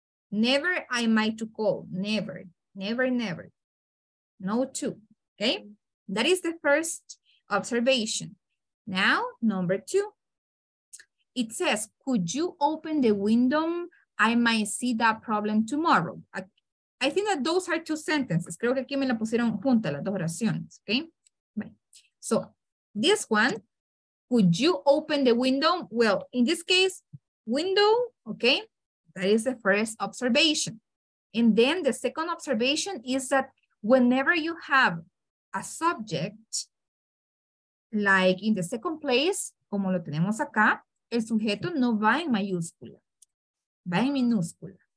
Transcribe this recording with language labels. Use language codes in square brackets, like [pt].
[en] Never I might to call, never, never, never. No two, okay? That is the first observation. Now, number two, it says, could you open the window? I might see that problem tomorrow. I think that those are two sentences. [es] Creo que aquí me la pusieron junta, las dos oraciones, okay? [en] Right. So this one, could you open the window? Well, in this case, window, okay? That is the first observation. And then the second observation is that whenever you have a subject, like in the second place, [es] como lo tenemos acá, el sujeto no va en mayúscula, va en minúscula.